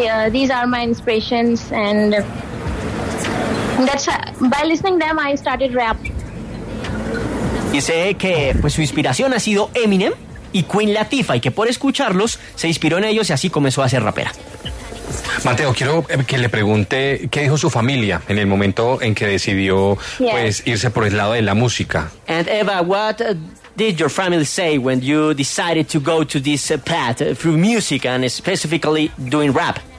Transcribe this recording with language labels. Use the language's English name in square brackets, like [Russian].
[English] These are my inspirations, and that's by listening them I started rap. [Spanish] Dice que pues su inspiración ha sido Eminem y Queen Latifah y que por escucharlos se inspiró en ellos y así comenzó a ser rapera. Mateo, quiero que le pregunte qué dijo su familia en el momento en que decidió pues irse por el lado de la música. [English] And Eva, what did your family say when you decided to go to this path through music and specifically doing rap?